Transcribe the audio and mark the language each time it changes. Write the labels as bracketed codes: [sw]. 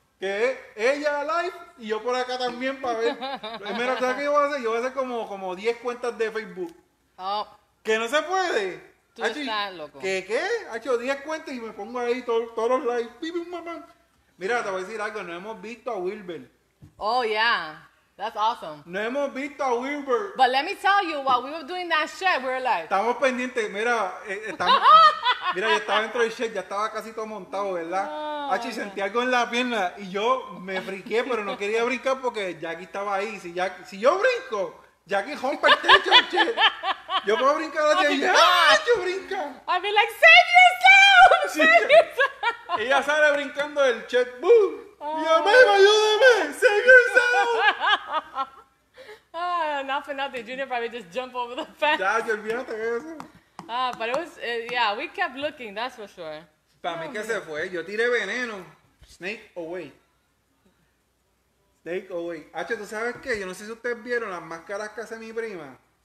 [es] Que es ella live y yo por acá también para ver. Primero, ¿sabes qué yo voy a hacer? Yo voy a hacer como 10 cuentas de Facebook. Oh. ¿Que no se puede? Tú Acho, estás loco. ¿Qué? Hacho 10 cuentas y me pongo ahí todos los lives. ¡Pipi, mamá! Mira, te voy a decir algo. No hemos visto a Wilber. [en] Oh, yeah. That's awesome. [es] No hemos visto a Wilber. [en] But let me tell you, while we were doing that shit, we were like... [es] Estamos pendientes. Mira, estamos... Mira, yo estaba dentro del shit. Ya estaba casi todo montado, ¿verdad? Oh, Achi, sentí algo en la pierna. Y yo me friqué, pero no quería brincar porque Jackie estaba ahí. Si yo brinco, Jackie rompe el techo, che. Yo puedo brincar hacia allá. Yo brinco. [en] I'd be like, save yourself! Sí, save yourself! [es] Ella sale brincando del shit. ¡Boom! Yeah, ayúdame, [en] save yourself. Not for nothing, Junior probably just jumped over the fence. [es] Ya, yo olvídate de eso. [en] But it was, yeah, we kept looking, that's for sure. [es] Para mí que se fue, yo tiré veneno. [en] Snake away. [es] H, ¿tú sabes qué? Yo no sé si ustedes vieron las máscaras que hace mi prima.